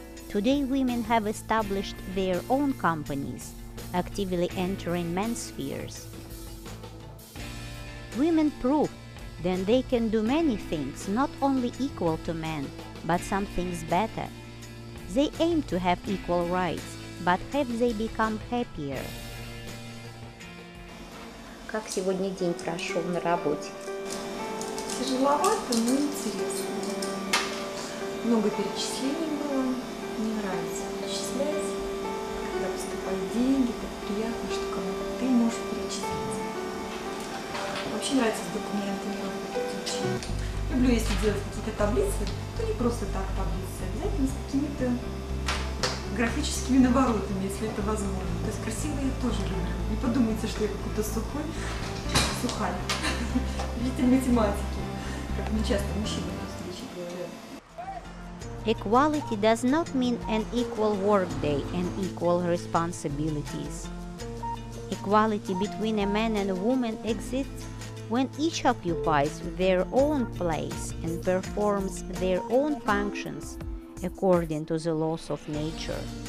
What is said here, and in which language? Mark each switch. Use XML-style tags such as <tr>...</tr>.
<en>Today, women have established their own companies, actively entering men's spheres. Women prove that they can do many things, not only equal to men, but some things better. They aim to have equal rights, but have they become happier?</en> <ru>Как сегодня день прошел на работе? Тяжеловато, но интересно. Много перечислений было, мне нравится перечислять. Когда поступают деньги, так приятно, что кому-то ты можешь перечислить. Вообще нравится с документами работать. Люблю, если делать какие-то таблицы, то не просто так таблицы, обязательно с какими-то графическими наворотами, если это возможно. То есть красиво я тоже люблю. Не подумайте, что я какой-то сухарь. Любитель математики, как мне часто мужчины встречи говорят.</ru> <en>Equality does not mean an equal workday and equal responsibilities. Equality between a man and a woman exists when each occupies their own place and performs their own functions according to the laws of nature.</en>